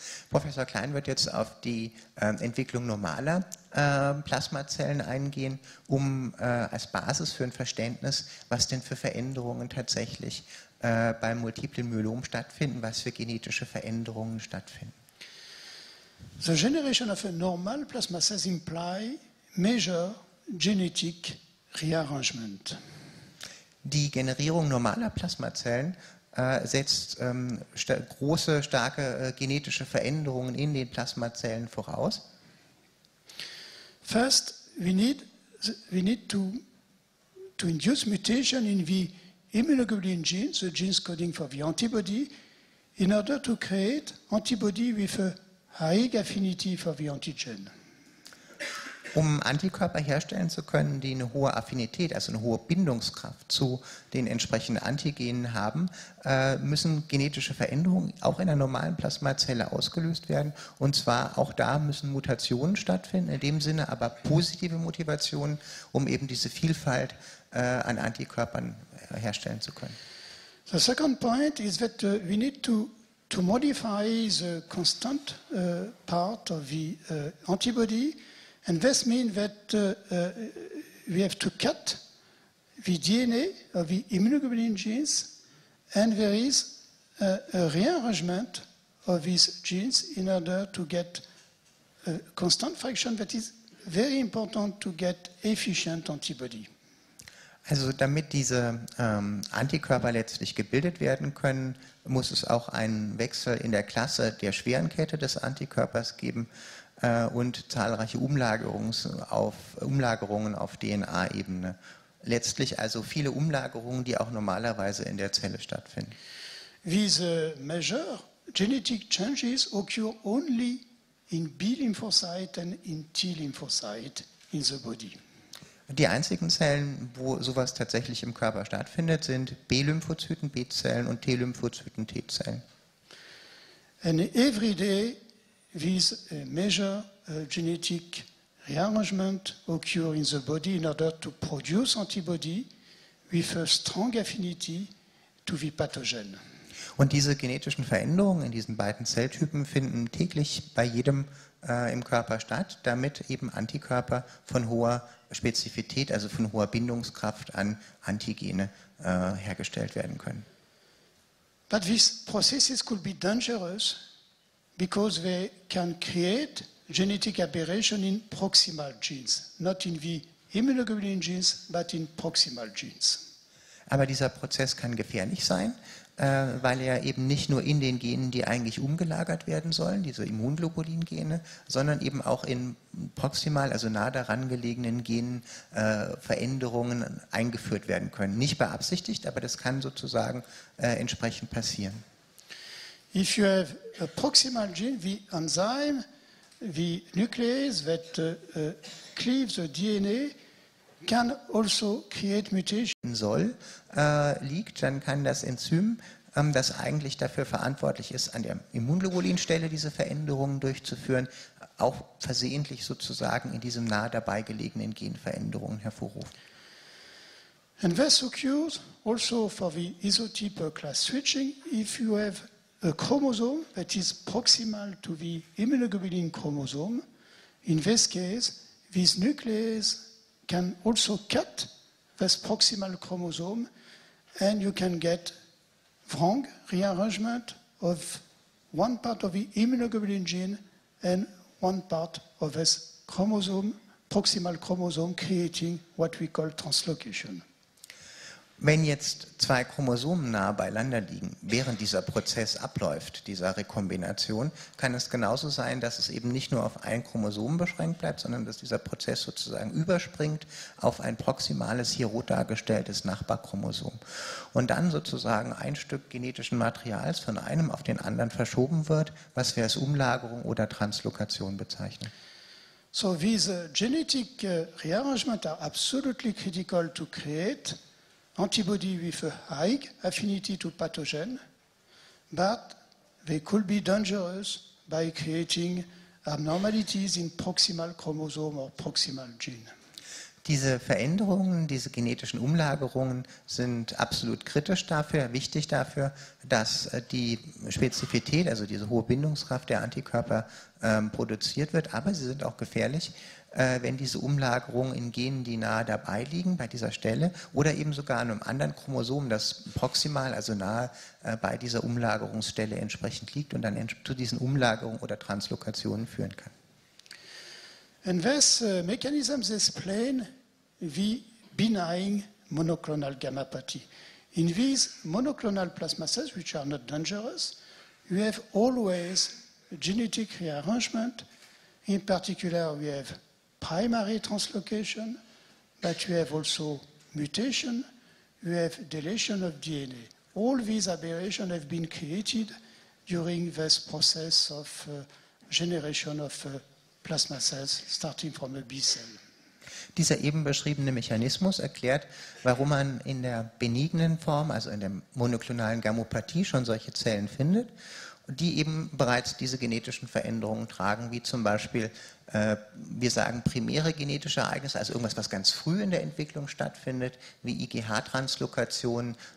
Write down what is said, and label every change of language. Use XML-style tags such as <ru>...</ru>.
<de>Professor Klein wird jetzt auf die Entwicklung normaler Plasmazellen eingehen, um als Basis für ein Verständnis, was denn für Veränderungen tatsächlich beim multiplen Myelom stattfinden, was für genetische Veränderungen stattfinden.</de> <en>The generation of a normal plasma cells imply major genetic rearrangement.</en> <de>Die Generierung normaler Plasmazellen setzt große, starke genetische Veränderungen in den Plasmazellen voraus.</de> <en>First, we need to induce mutation in the immunoglobulin genes, the genes coding for the antibody, in order to create antibody with a high affinity for the antigen.</en> <de>Um Antikörper herstellen zu können, die eine hohe Affinität, also eine hohe Bindungskraft zu den entsprechenden Antigenen haben, müssen genetische Veränderungen auch in der normalen Plasmazelle ausgelöst werden. Und zwar auch da müssen Mutationen stattfinden, in dem Sinne aber positive Mutationen, um eben diese Vielfalt an Antikörpern herstellen zu können.</de> <en>The second point is that we need to modify the constant part of the antibody. And this means that we have to cut the DNA of the immunoglobulin genes, and there is a rearrangement of these genes in order to get a constant fraction that is very important to get efficient antibody.</en> <de>Also damit diese Antikörper letztlich gebildet werden können, muss es auch einen Wechsel in der Klasse der schweren Kette des Antikörpers geben und zahlreiche Umlagerungen auf DNA-Ebene. Letztlich also viele Umlagerungen, die auch normalerweise in der Zelle stattfinden.</de> <en>These major genetic changes occur only in B-Lymphocyte and in T-Lymphocyte in the body.</en> <de>Die einzigen Zellen, wo sowas tatsächlich im Körper stattfindet, sind B-Lymphozyten, B-Zellen und T-Lymphozyten, T-Zellen.</de> <en>And every day these major genetic rearrangement occur in the body in order to produce antibody with a strong affinity to the pathogen.</en> <de>Und diese genetischen Veränderungen in diesen beiden Zelltypen finden täglich bei jedem im Körper statt, damit eben Antikörper von hoher Spezifität, also von hoher Bindungskraft an Antigene hergestellt werden können.</de> <en>But these processes could be dangerous because they can create genetic aberration in proximal genes, not in the immunoglobulin genes, but in proximal genes.</en> <de>Aber dieser Prozess kann gefährlich sein, weil er eben nicht nur in den Genen, die eigentlich umgelagert werden sollen, diese Immunglobulin-Gene, sondern eben auch in proximal, also nah daran gelegenen Genen, Veränderungen eingeführt werden können. Nicht beabsichtigt, aber das kann sozusagen entsprechend passieren.</de> <en>If you have a proximal gene, the enzyme, the nuclease that cleaves the DNA, can also create mutation.</en> <de>Soll liegt, dann kann das Enzym, das eigentlich dafür verantwortlich ist, an der Immunglobulinstelle diese Veränderungen durchzuführen, auch versehentlich sozusagen in diesem nahe dabei gelegenen Genveränderungen hervorrufen.</de> <en>And this occurs also for the isotype class switching. If you have a chromosome that is proximal to the immunoglobulin chromosome, in this case, this nuclease can also cut this proximal chromosome and you can get wrong rearrangement of one part of the immunoglobulin gene and one part of this chromosome, proximal chromosome, creating what we call translocation.</en> <de>Wenn jetzt zwei Chromosomen nahe beieinander liegen, während dieser Prozess abläuft, dieser Rekombination, kann es genauso sein, dass es eben nicht nur auf ein Chromosom beschränkt bleibt, sondern dass dieser Prozess sozusagen überspringt auf ein proximales, hier rot dargestelltes Nachbarchromosom. Und dann sozusagen ein Stück genetischen Materials von einem auf den anderen verschoben wird, was wir als Umlagerung oder Translokation bezeichnen.</de> <en>So these genetic rearrangements are absolutely critical to create antibody with a high affinity to pathogen, but they could be dangerous by creating abnormalities in proximal chromosome or proximal gene.</en> <de>Diese Veränderungen, diese genetischen Umlagerungen sind absolut kritisch dafür, wichtig dafür, dass die Spezifität, also diese hohe Bindungskraft der Antikörper produziert wird, aber sie sind auch gefährlich, wenn diese Umlagerungen in Genen, die nahe dabei liegen, bei dieser Stelle, oder eben sogar an einem anderen Chromosom, das proximal, also nahe bei dieser Umlagerungsstelle entsprechend liegt und dann zu diesen Umlagerungen oder Translokationen führen kann.</de> <en>And this mechanism explains the benign monoclonal gammopathy. In these monoclonal plasma cells, which are not dangerous, you have always genetic rearrangement. In particular, we have primary translocation, but you have also mutation, you have deletion of DNA. All these aberrations have been created during this process of generation of plasma cells starting from a B cell.</en> <de>Dieser eben beschriebene Mechanismus erklärt, warum man in der benignen Form, also in der monoklonalen Gammopathie, schon solche Zellen findet, die eben bereits diese genetischen Veränderungen tragen, wie zum Beispiel, wir sagen, primäre genetische Ereignisse, also irgendwas, was ganz früh in der Entwicklung stattfindet, wie IGH-Translokationen,</de>